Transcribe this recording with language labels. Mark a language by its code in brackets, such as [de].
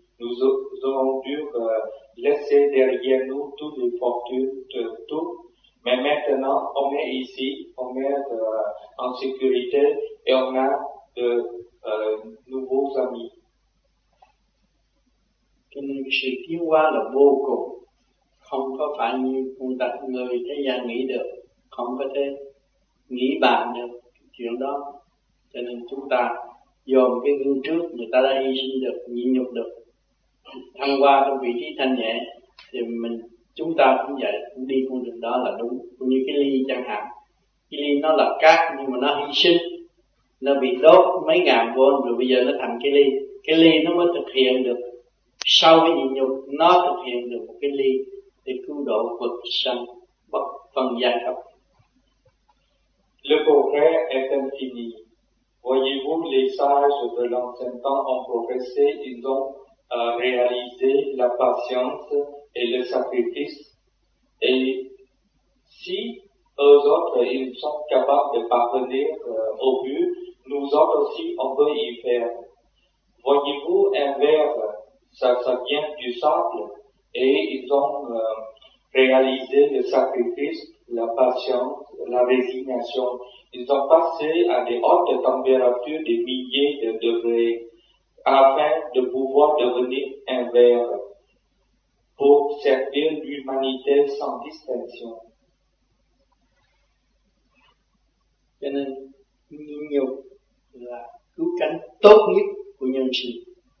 [fr] Nous aurons dû laisser derrière nous toutes les fortunes, tout. Mais maintenant, on est ici, on est en sécurité et on a de nouveaux amis. [vi] Cho nên sự tiến hóa là vô cùng, không có phải như con đặt người thế gian nghĩ được, không có thể nghĩ bàn được chuyện đó. Cho nên chúng ta dồn cái gương trước, người ta đã hy sinh được, nhịn nhục được, thăng hoa trong vị trí thanh nhẹ, thì mình chúng ta cũng vậy, cũng đi con đường đó là đúng. Cũng như cái ly chẳng hạn, cái ly nó là cát nhưng mà nó hy sinh, nó bị đốt mấy ngàn vôn rồi bây giờ nó thành cái ly nó mới thực hiện được. Sau cái nhịn nhục nó thực hiện được một cái ly để cứu độ vật sanh bất phân giai cấp. [fr] Le progrès est infini. Voyez-vous, les sages de l'ancien temps ont progressé, ils ont réalisé la patience et le sacrifice. Et si eux autres ils sont capables de parvenir au but, nous autres aussi on peut y faire. Voyez-vous, un verre, ça vient du sable et ils ont réalisé le sacrifice, la patience, la résignation. Ils ont passé à des hautes températures des milliers de degrés afin de pouvoir devenir un verre pour servir l'humanité sans distinction. [vi] Cho nên, nhịn nhục là cứu cánh tốt nhất của nhân sinh.